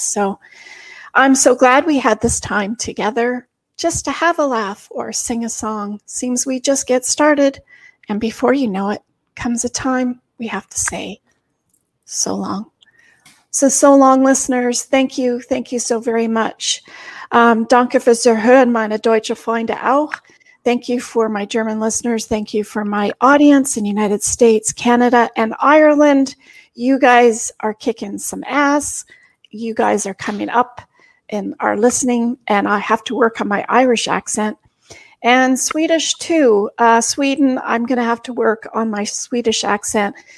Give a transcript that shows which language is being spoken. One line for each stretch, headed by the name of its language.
English: So I'm so glad we had this time together just to have a laugh or sing a song. Seems we just get started, and before you know it, comes a time we have to say so long. So long, listeners. Thank you. Thank you so very much.
German: Danke fürs Zuhören, meine deutsche Freunde auch.
English: Thank you for my German listeners. Thank you for my audience in United States, Canada, and Ireland. You guys are kicking some ass. You guys are coming up and are listening, and I have to work on my Irish accent. And Swedish too. Sweden, I'm going to have to work on my Swedish accent.